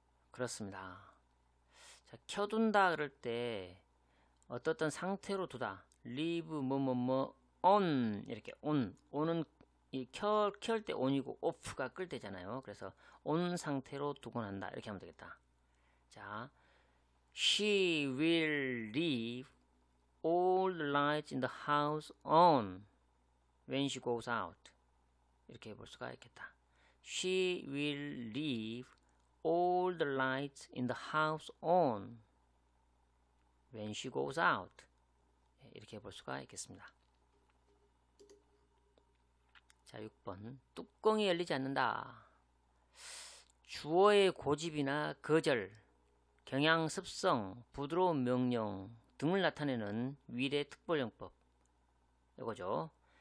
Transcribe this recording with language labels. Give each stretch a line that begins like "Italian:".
Korean: 그렇습니다. 자, 켜둔다 그럴 때 어떤 상태로 두다. leave 뭐뭐뭐 on 이렇게 on. on은 켤 때 on이고 off가 끌 때잖아요. 그래서 on 상태로 두곤 한다. 이렇게 하면 되겠다.
English: 자, she will leave all the lights in the house on when she goes out.
Korean: 이렇게 볼 수가 있겠다.
English: she will leave all the lights in the house on when she goes out.
Korean: 이렇게 볼 수가 있겠습니다. 자, 6번. 뚜껑이 열리지 않는다. 주어의 고집이나 거절, 경향, 습성, 부드러운 명령 등을 나타내는 will의 특별용법. 이거죠.